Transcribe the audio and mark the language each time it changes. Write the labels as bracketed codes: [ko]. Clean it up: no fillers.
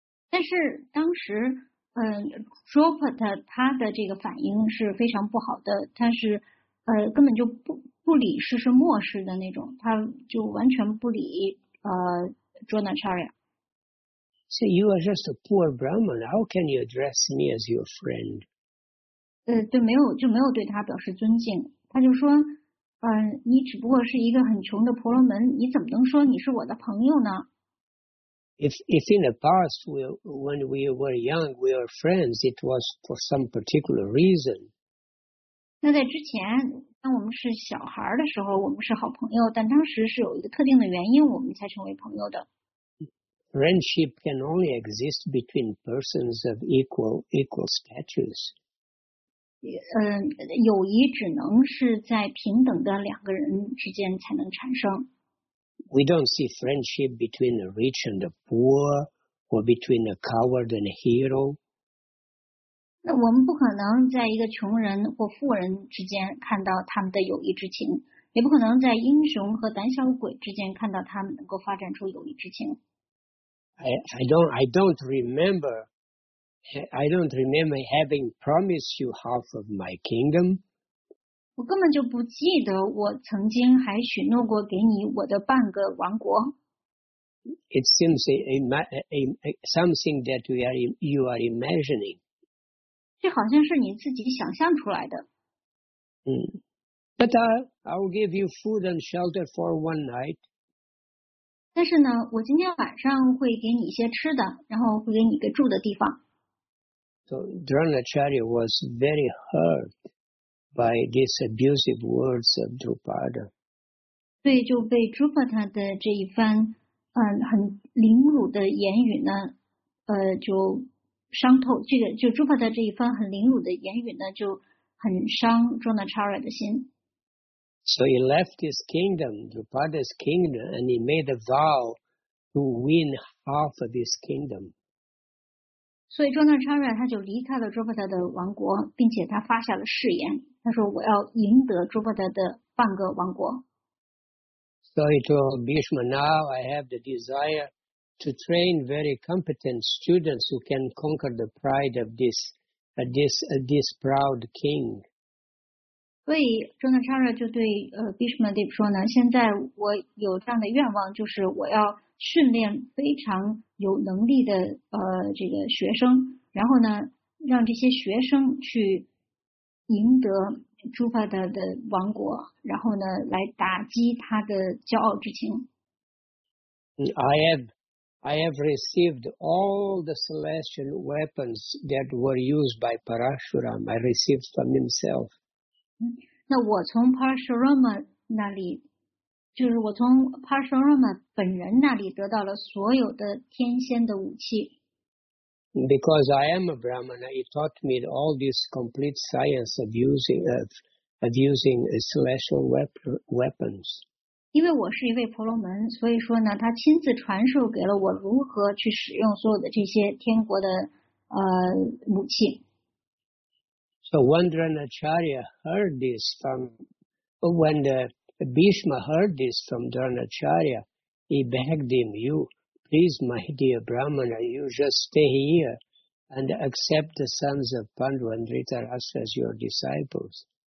[zh] 但是当时，Drupada 他的这个反应是非常不好的，他是，根本就不理事，是漠视的那种，他就完全不理，Dronacharya。 [en] So you are just a poor Brahman. How can you address me as your friend? [zh] 对，没有对他表示尊敬，他就说，你只不过是一个很穷的婆罗门，你怎么能说你是我的朋友呢？ [en] If in the past, when we were young, we were friends, it was for some particular reason. [zh] 那在之前，当我们是小孩的时候，我们是好朋友，但当时是有一个特定的原因，我们才成为朋友的。 [en] Friendship can only exist between persons of equal status. [zh] 友谊只能是在平等的两个人之间才能产生。 [en] We don't see friendship between the rich and the poor, or between a coward and a hero. [zh] 那我们不可能在一个穷人或富人之间看到他们的友谊之情，也不可能在英雄和胆小鬼之间看到他们能够发展出友谊之情。 [en] I don't remember having promised you half of my kingdom. [zh] 我根本就不记得我曾经还许诺过给你我的半个王国。 [en] It seems something that you are imagining. [zh] 这好像是你自己想象出来的。 [en] But I'll give you food and shelter for one night. [zh] 但是呢，我今天晚上会给你一些吃的，然后会给你一个住的地方。 [en] So Dronacharya was very hurt. By these abusive words of Drupada. [zh] 对，就被 Drupada 的这一番很凌辱的言语呢，就伤透。这个就 Drupada 这一番很凌辱的言语呢，就很伤 Dronacharya 的心。 [en] So he left his kingdom, Drupada's kingdom, and he made a vow to win half of his kingdom. [zh] 所以 Dronacharya 他就离开了 Drupada 的王国，并且他发下了誓言。他说：“我要赢得朱伯德的半个王国。” [en] So he told Bhishma, "Now I have the desire to train very competent students who can conquer the pride of this proud king." [zh] 所以，朱那查热就对Bhishma Deep说呢：“现在我有这样的愿望，就是我要训练非常有能力的这个学生，然后呢，让这些学生去。” 赢得朱帕达的王国，然后呢，来打击他的骄傲之情。 [en] I have received all the celestial weapons that were used by Parashuram. I received from himself. [zh] 那我从 Parashurama 那里，就是我从 Parashurama 本人那里得到了所有的天仙的武器。 [en] Because I am a Brahmana, he taught me all this complete science of using celestial weapons. [zh] 因为我是一位婆罗门，所以说呢，他亲自传授给了我如何去使用所有的这些天国的母亲。 [en] So when Dronacharya heard this from, when the Bhishma heard this from Dronacharya, he begged him, "You, please, my dear Brahmana, you just stay here and accept the sons of Pandu and Dhritarashtra as your disciples."